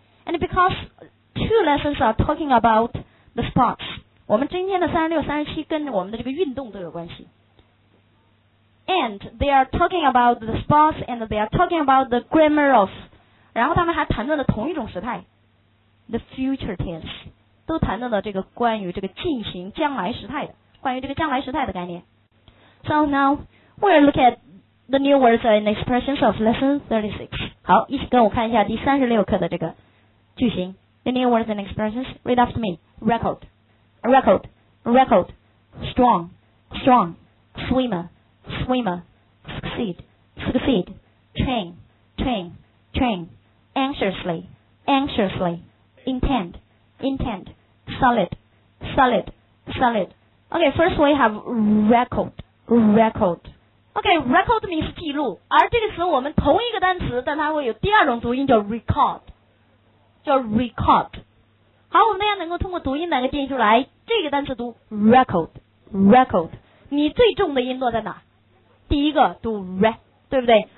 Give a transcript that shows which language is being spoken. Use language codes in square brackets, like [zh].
[en] And because two lessons are talking aboutThe sports， [zh] 我们今天的36、37跟我们的这个运动都有关系。 [en] And they are talking about the sports and they are talking about the grammar of， [zh] 然后他们还谈论了同一种时态 [en] the future tense， [zh] 都谈论了这个关于这个进行将来时态的，关于这个将来时态的概念。 [en] So now we will look at the new words and expressions of lesson 36。 [zh] 好，一起跟我看一下第36课的这个句型。 [en] The new words and expressions, read after me. Record, record, record. Strong, strong. Swimmer, swimmer. Succeed, succeed. Train, train, train. Anxiously, anxiously. Intent, intent. Solid, solid, solid. Okay, first we have record, record. OK, [zh] record means 记录，而这个词我们同一个单词，但它会有第二种读音，叫 record， 叫 record。好，我们大家能够通过读音来辨出来，这个单词读 record， record。你最重的音落在哪？第一个读 re， 对不对？